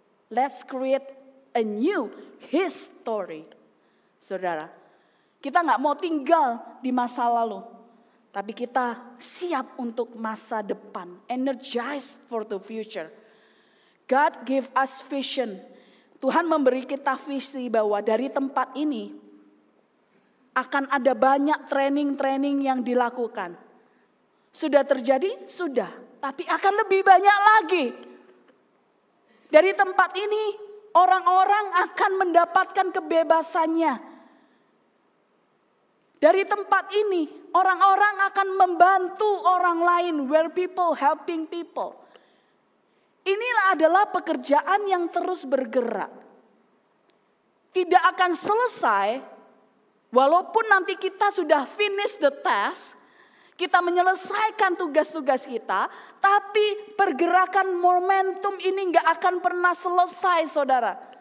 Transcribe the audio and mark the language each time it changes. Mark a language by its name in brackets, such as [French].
[English] Let's create a new history. [Indonesian] Saudara, kita gak mau tinggal di masa lalu. Tapi kita siap untuk masa depan. [English] Energize for the future. God give us vision. [Indonesian] Tuhan memberi kita visi bahwa dari tempat ini akan ada banyak training-training yang dilakukan. Sudah terjadi? Sudah. Tapi akan lebih banyak lagi. Dari tempat ini, orang-orang akan mendapatkan kebebasannya. Dari tempat ini, orang-orang akan membantu orang lain. [English] Where people helping people. [Indonesian] Inilah adalah pekerjaan yang terus bergerak. Tidak akan selesai, walaupun nanti kita sudah [English] finish the task, [Indonesian] kita menyelesaikan tugas-tugas kita, tapi pergerakan momentum ini gak akan pernah selesai, saudara.